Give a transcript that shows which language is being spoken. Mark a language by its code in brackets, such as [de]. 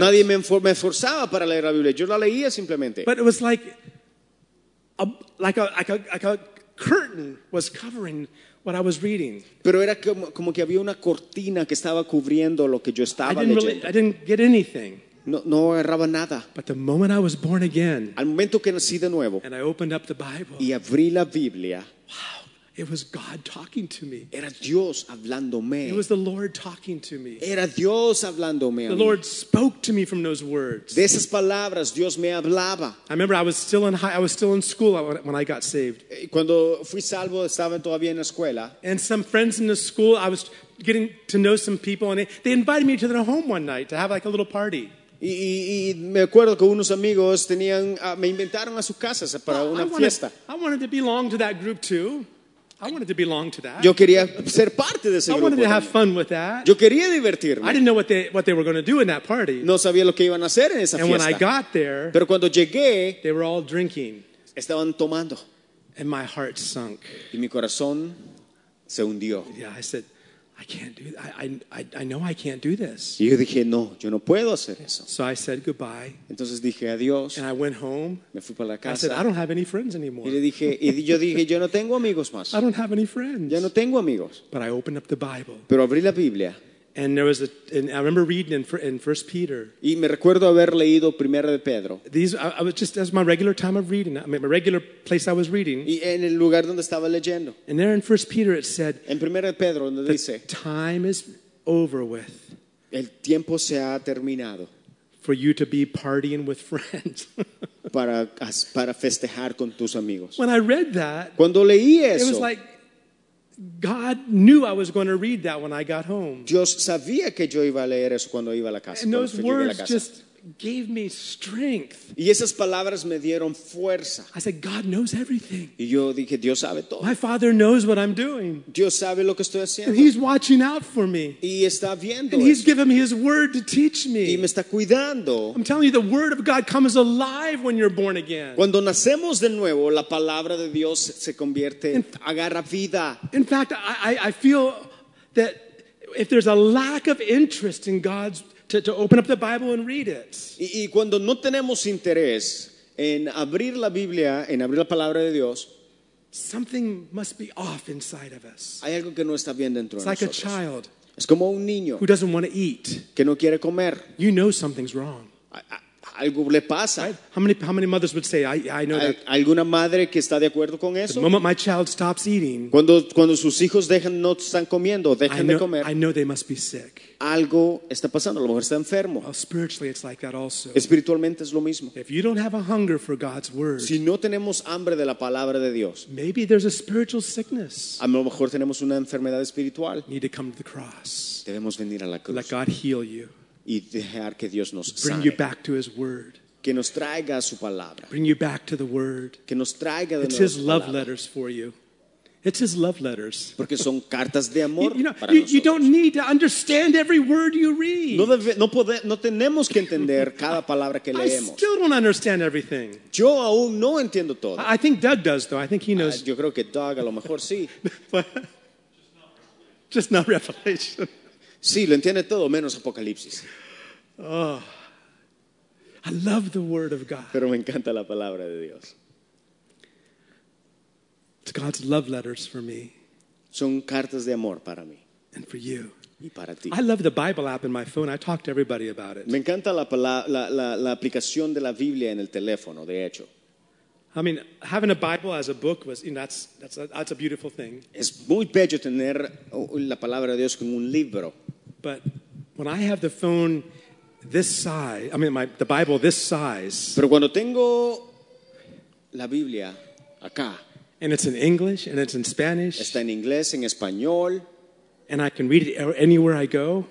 [es] Nadie me forzaba para leer la Biblia. Yo la leía simplemente. [en] But it was like a curtain was covering what I was reading. [es] Pero era como que había una cortina que estaba cubriendo lo que yo estaba leyendo. [en] I didn't get anything. [es] No agarraba nada. [en] But the moment I was born again, [es] al momento que nací de nuevo, [en] and I opened up the Bible, [es] y abrí la Biblia, [en] wow, it was God talking to me. [es] Era Dios hablándome. [en] It was the Lord talking to me. [es] Era Dios hablándome. [en] The Lord spoke to me from those words. [es] De esas palabras, Dios me hablaba. [en] I remember I was still in school when I got saved. [es] Cuando fui salvo, estaba todavía en la escuela. [en] And some friends in the school, I was getting to know some people, and they invited me to their home one night to have like a little party. [es] Y me acuerdo que unos amigos tenían me inventaron a sus casas para una fiesta. [en] I wanted to belong to that group too. I wanted to belong to that. [es] Yo quería ser parte de ese grupo. [en] I wanted to have fun with that. [es] Yo quería divertirme. [en] I didn't know what they were going to do in that party. [es] No sabía lo que iban a hacer en esa fiesta. [en] And when I got there, [es] pero cuando llegué, [en] they were all drinking. [es] Estaban tomando. [en] And my heart sunk. [es] Y mi corazón se hundió. [en] Yeah, I said, I can't do that. I know I can't do this. [es] Y yo dije, no, yo no puedo hacer eso. [en] So I said goodbye. [es] Entonces dije adiós. [en] And I went home. [es] Me fui para la casa. [en] I said, I don't have any friends anymore. [es] Y le dije, yo no tengo amigos más. [en] I don't have any friends. [es] Ya no tengo amigos. [en] But I opened up the Bible. [es] Pero abrí la Biblia. [en] And there was and I remember reading in 1 Peter. [es] Y me recuerdo haber leído Primera de Pedro. [en] I was just as my regular time of reading. I mean, my regular place I was reading. [es] Y en el lugar donde estaba leyendo. [en] And there in 1 Peter it said. [es] En Primera de Pedro donde [en] the [es] dice. [en] Time is over with. [es] El tiempo se ha terminado. [en] for you to be partying with friends. [es] para festejar con tus amigos. [en] When I read that, [es] cuando leí eso, [en] it was like God knew I was going to read that when I got home. [es] Dios sabía que yo iba a leer eso cuando iba a la casa. [en] And those words just gave me strength. [es] Y esas palabras me dieron fuerza. [en] I said, God knows everything. [es] Y yo dije, Dios sabe todo. [en] My Father knows what I'm doing. [es] Dios sabe lo que estoy haciendo. [en] And He's watching out for me. [es] Y está viendo. [en] And He's given me His word to teach me. [es] Y me está cuidando. [en] I'm telling you, the word of God comes alive when you're born again. [es] Cuando nacemos de nuevo, la palabra de Dios se convierte, agarra vida. [en] In fact, I feel that if there's a lack of interest in God's to open up the Bible and read it. [es] Y cuando no tenemos interés en abrir la Biblia, en abrir la palabra de Dios, [en] something must be off inside of us. [es] Hay algo que no está bien dentro [en] it's [es] de [en] like [es] nosotros. [en] A child, [es] es como un niño, [en] who doesn't want to eat, [es] que no quiere comer. [en] You know something's wrong. [es] Algo le pasa. [en] Right? How many mothers would say, I know that. [es] ¿Alguna madre que está de acuerdo con eso? [en] The moment my child stops eating, [es] cuando sus hijos dejan, no están comiendo, dejan [en] know, [es] de comer, [en] I know they must be sick. [es] Algo está pasando, a lo mejor está enfermo. [en] Well, spiritually it's like that also. [es] Espiritualmente es lo mismo. [en] If you don't have a hunger for God's word, [es] si no tenemos hambre de la palabra de Dios, [en] maybe there's a spiritual sickness. [es] A lo mejor tenemos una enfermedad espiritual. [en] Need to come to the cross. [es] Debemos venir a la cruz. [en] Let God heal you. [es] Y dejar que Dios nos sane. [en] Bring you back to His word. [es] Que nos traiga su palabra. [en] Bring you back to the word. [es] Que nos traiga de nuevo. [en] It's His love letters for you. It's His love letters. [es] Porque son cartas de amor. [en] You know, you don't need to understand every word you read. [es] No tenemos que entender cada palabra que leemos. [en] I still don't understand everything. [es] Yo aún no entiendo todo. [en] I think Doug does, though. I think he knows. [es] Yo creo que Doug a lo mejor sí. [en] just not Revelation. [es] Sí, lo entiende todo menos Apocalipsis. [en] Oh, I love the word of God. [es] Pero me encanta la palabra de Dios. [en] It's God's love letters for me. [es] Son cartas de amor para mí. [en] And for you. [es] Y para ti. [en] I love the Bible app in my phone. I talk to everybody about it. [es] Me encanta la aplicación de la Biblia en el teléfono, de hecho. [en] I mean, having a Bible as a book was, you know, that's a beautiful thing. [es] Es muy bello tener la palabra de Dios como un libro. [en] But when I have the phone this size, I mean, the Bible this size. [es] Pero cuando tengo la Biblia acá. [en] And it's in English and it's in Spanish. [es] Está en inglés, en español. [en] And I can read it anywhere I go.